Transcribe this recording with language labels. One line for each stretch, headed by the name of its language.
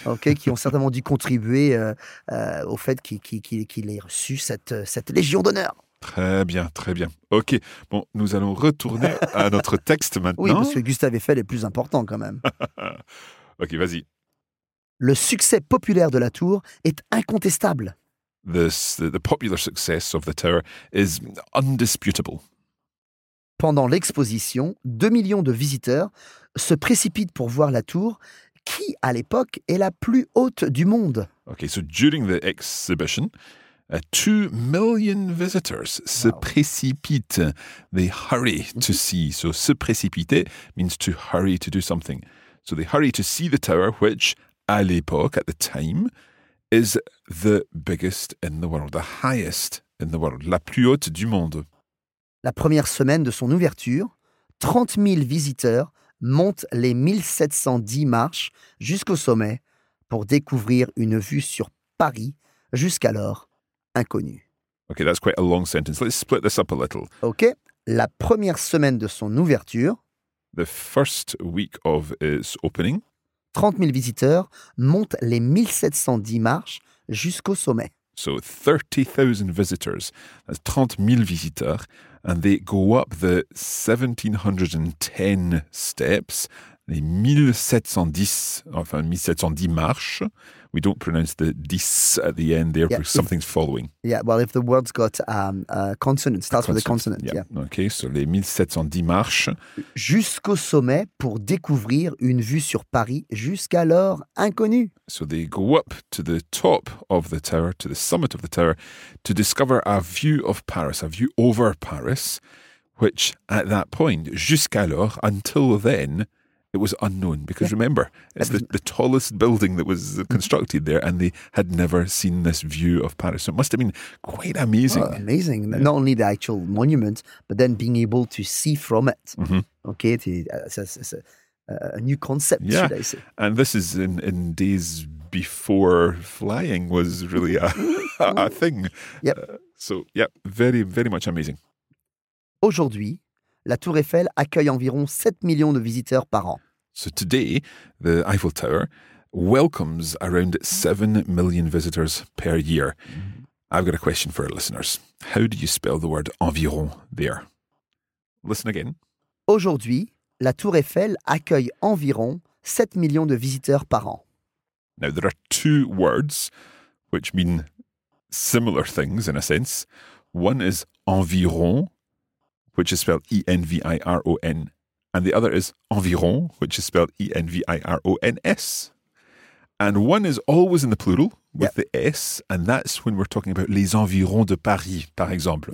French: okay, qui ont certainement dû contribuer au fait qu'il ait reçu cette Légion d'honneur. Très bien, très bien. Ok, bon, nous allons retourner à notre texte maintenant. Oui, parce que Gustave Eiffel est plus important quand même. Ok, vas-y. Le succès populaire de la tour est incontestable.
English: The popular success of the tower is indisputable.
French: Pendant l'exposition, 2 millions de visiteurs se précipitent pour voir la tour qui, à l'époque, est la plus haute du monde.
English: Ok, so during the exhibition... 2 million visitors se wow.
French: précipitent.
English: They hurry to see. So, se précipiter means to hurry to do something. So, they hurry to see the tower, which,
French: à l'époque,
English: at the time, is the biggest in the world, the highest in the world,
French: la plus haute du monde. La première semaine de son ouverture, 30 000 visiteurs montent les 1710 marches jusqu'au sommet pour découvrir une vue sur Paris jusqu'alors. Inconnu.
English: Okay, that's quite a long sentence. Let's split this up a little.
French: Okay, la première semaine de son ouverture.
English: The first week of its opening.
French: 30 000 visiteurs montent les 1710 marches jusqu'au sommet.
English: So 30,000 visitors. That's
French: 30 000 visiteurs.
English: And they go up the 1710 steps.
French: Les 1710 marches.
English: We don't pronounce the dis at the end there, yeah, because something's following. Yeah, well, if the word's got a consonant, starts with a consonant, yeah. Okay, so
French: les 1710 marches. Jusqu'au sommet pour découvrir une vue sur Paris jusqu'alors inconnue.
English: So they go up to the top of the tower, to the summit of the tower, to discover a view of Paris, a view over Paris, which at that point, jusqu'alors, until then... It was unknown because yeah. remember, it's the tallest building that was constructed there, and they had never seen this view of Paris. So it must have been quite amazing. Well, amazing. Yeah. Not only the actual monument, but then being able to see from it. Mm-hmm. Okay, it's a new concept, yeah. should I say. And this is in days before flying was really a thing. Yep. Very, very much amazing.
French: Aujourd'hui, la Tour Eiffel accueille environ 7 millions de visiteurs par an.
English: So today, the Eiffel Tower welcomes around 7 million visitors per year. I've got a question for our listeners. How do you spell the word environ there? Listen again.
French: Aujourd'hui, la Tour Eiffel accueille environ 7 millions de visiteurs par an.
English: Now, there are two words which mean similar things in a sense. One is environ, which is spelled E-N-V-I-R-O-N. And the other is environ, which is spelled E-N-V-I-R-O-N-S. And one is always in the plural with yep. the S, and that's when we're talking about
French: les environs de Paris, par exemple.